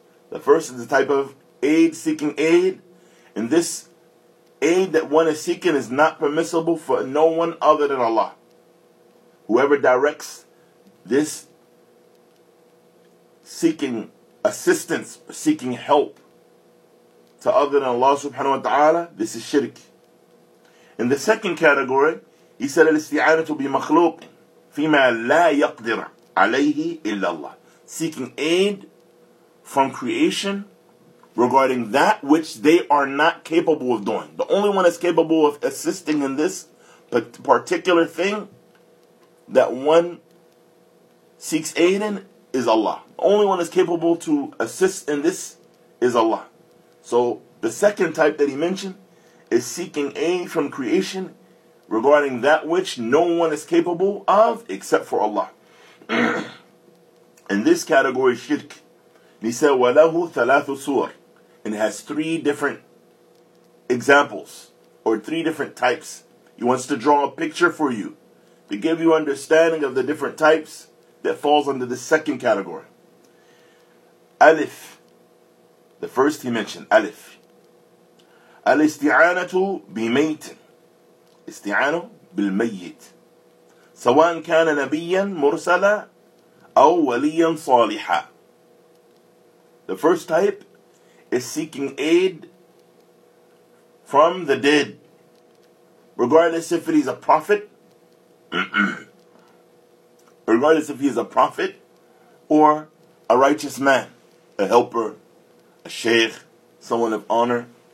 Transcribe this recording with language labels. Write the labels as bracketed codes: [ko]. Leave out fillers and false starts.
[en] The first is the type of aid, seeking aid. And this aid that one is seeking is not permissible for no one other than Allah. Whoever directs this seeking assistance, seeking help to other than Allah subhanahu wa ta'ala, this is shirk. In the second category, he said, [ar] الاستعانة بمخلوق فيما لا يقدر عليه إلا الله. [en] Seeking aid from creation regarding that which they are not capable of doing. The only one that's capable of assisting in this particular thing that one seeks aid in is Allah. The only one that's capable to assist in this is Allah. So the second type that he mentioned is seeking aid from creation regarding that which no one is capable of except for Allah. In this category, shirk. He said, [ar] وَلَهُ ثَلَاثُ سُورٍ. [en] And has three different examples, or three different types. He wants to draw a picture for you, to give you understanding of the different types that falls under the second category. Alif. The first he mentioned, Alif. [ar] Al-isti'anatu bi-maytin. Isti'anu bil-mayyit. سواء كان نبيا مرسلا أو وليا صالحا. [en] The first type is seeking aid from the dead, regardless if he's a prophet, regardless if he's a prophet or a righteous man, a helper, a sheikh, someone of honor.